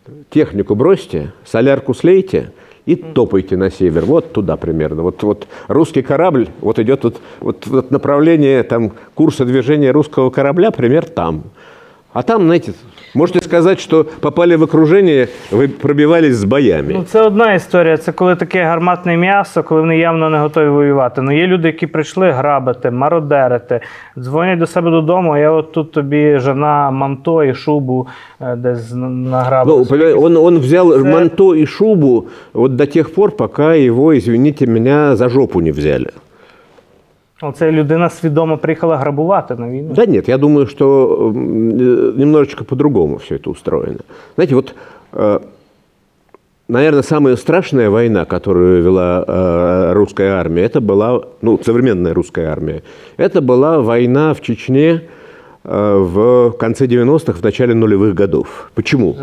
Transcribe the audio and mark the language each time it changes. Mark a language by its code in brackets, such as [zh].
[ru] Технику бросьте, солярку слейте и топайте на север, вот туда примерно. Вот, вот русский корабль, вот идет вот, вот, вот направление там, курса движения русского корабля, пример там. [uk] А там, знаете, можете сказати, що попали в окруження, ви пробивались з боями. Ну, це одна історія. Це коли таке гарматне м'ясо, коли вони явно не готові воювати. Ну, є люди, які прийшли грабити, мародерити, дзвонять до себе додому, а я от тут тобі жена манто і шубу десь награбила. Ну, він взяв манто і шубу от до тих пор, поки його, [ru] извините [uk] мене, за жопу не взяли. Оце людина свідомо приїхала грабувати на війну. Да, ні, я думаю, що немножечко по-другому все це устроєно. Знаєте, от, [ru] наверное, самая страшная война, которую вела русская армия, это была, ну, современная русская армия, это была война в Чечне в конце 90-х, в начале нулевых годов. Почему?